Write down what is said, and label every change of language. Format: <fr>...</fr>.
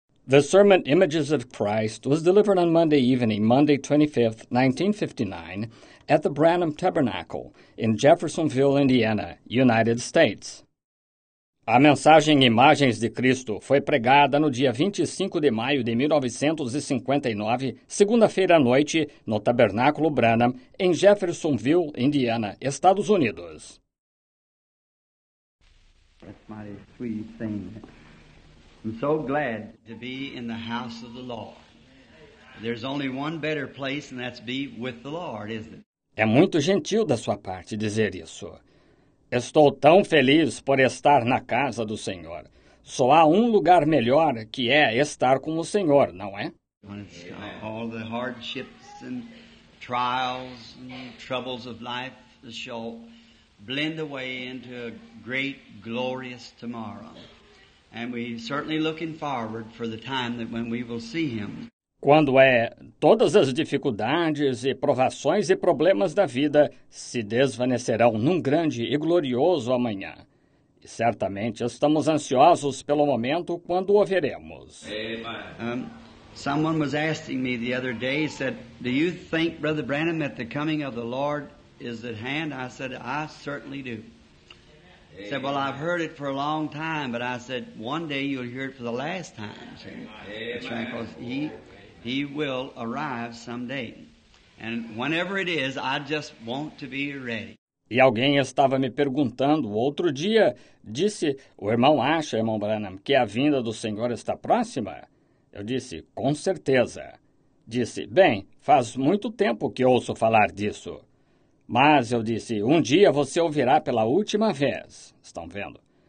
<en>The sermon Images of Christ was delivered on Monday evening, Monday 25th, 1959, at the Branham Tabernacle in Jeffersonville, Indiana, United States.</en> <pt>A mensagem Imagens de Cristo foi pregada no dia 25 de maio de 1959, segunda-feira à noite, no Tabernáculo Branham, em Jeffersonville, Indiana, Estados Unidos.</pt> <en>That's my sweet thing. I'm so glad to be in the house of the Lord. There's only one better place, and that's be with the Lord, isn't it?</en> <pt>É muito gentil da sua parte dizer isso. Estou tão feliz por estar na casa do Senhor. Só há um lugar melhor que é estar com o Senhor, não é?</pt> <en>All the hardships and trials and troubles of life shall blend away into a great, glorious tomorrow. And we certainly looking forward for the time that when we will see him.</en> <pt>Quando é todas as dificuldades e provações e problemas da vida se desvanecerão num grande e glorioso amanhã. E certamente estamos ansiosos pelo momento quando o veremos.</pt> <en>Someone was asking me the other day, said, "Do you think, Brother Branham, that the coming of the Lord is at hand?" I said, "I certainly do." He said, "Well, I've heard it for a long time," but I said, "One day you'll hear it for the last time." That's right, because he will arrive someday. And whenever it is, I just want to be ready.</en> <pt>E alguém estava me perguntando outro dia, disse, "O irmão acha, irmão Branham, que a vinda do Senhor está próxima?" Eu disse, "Com certeza." Disse, "Bem, faz muito tempo que ouço falar disso." Mas, eu disse, "um dia você ouvirá pela última vez." Estão vendo?</pt>